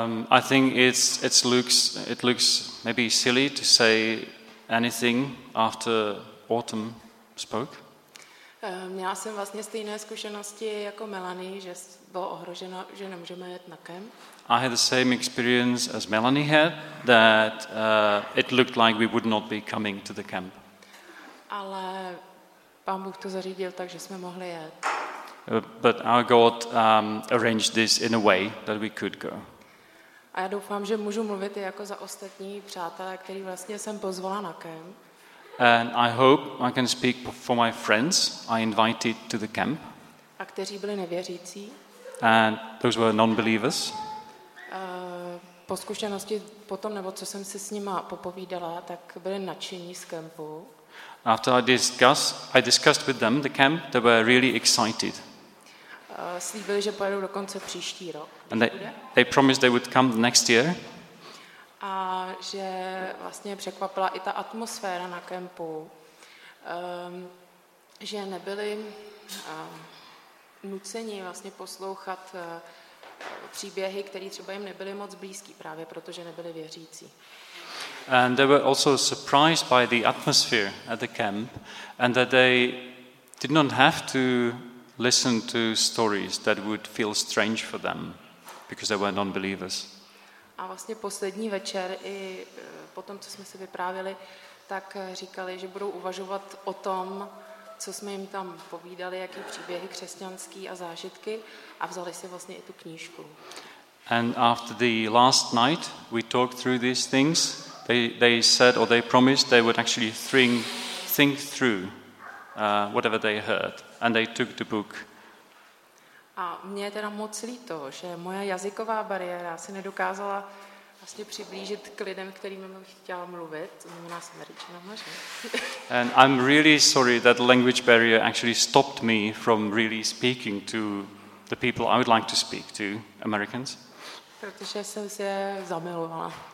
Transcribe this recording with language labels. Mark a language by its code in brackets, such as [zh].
[en] I think it looks maybe silly to say anything after autumn spoke. [cs] Měla jsem vlastně stejné zkušenosti jako Melanie, že bylo ohroženo, že nemůžeme jet na kem. [en] I had the same experience as Melanie had, that it looked like we would not be coming to the camp. [cs] Ale Pán Bůh to zařídil tak, že jsme mohli jet. [en] But our God arranged this in a way that we could go. [cs] A já doufám, že můžu mluvit i jako za ostatní přátelé, který vlastně jsem pozvala na kem. [en] And I hope I can speak for my friends I invited to the camp. [cs] A kteří byli nevěřící. [en] And those were non-believers. [cs] Po zkušenosti potom, nebo co jsem si s nima popovídala, tak byli nadšení z kempu. [en] After I discussed with them the camp, they were really excited. [cs] Slíbili, že pojedou do konce příští rok. [en] And they promised they would come the next year. [cs] A že vlastně překvapila i ta atmosféra na kempu, že nebyli nuceni vlastně poslouchat příběhy, které třeba jim nebyly moc blízký, právě protože nebyli věřící. [en] And they were also surprised by the atmosphere at the camp and that they did not have to listen to stories that would feel strange for them because they were non-believers. [cs] A vlastně poslední večer i po tom, co jsme se vyprávěli, tak říkali, že budou uvažovat o tom, co jsme jim tam povídali, jaký příběhy křesťanský a zážitky, a vzali si vlastně i tu knížku. [en] And after the last night we talked through these things, they said or they promised they would actually think through whatever they heard, and they took the book. [cs] A mě je teda moc líto, že moja jazyková bariéra si nedokázala vlastně přiblížit k lidem, kterými bych chtěla mluvit, to znamená s Američanama, že? [en] And I'm really sorry that the language barrier actually stopped me from really speaking to the people I would like to speak to, Americans. [cs] Protože jsem se zamilovala.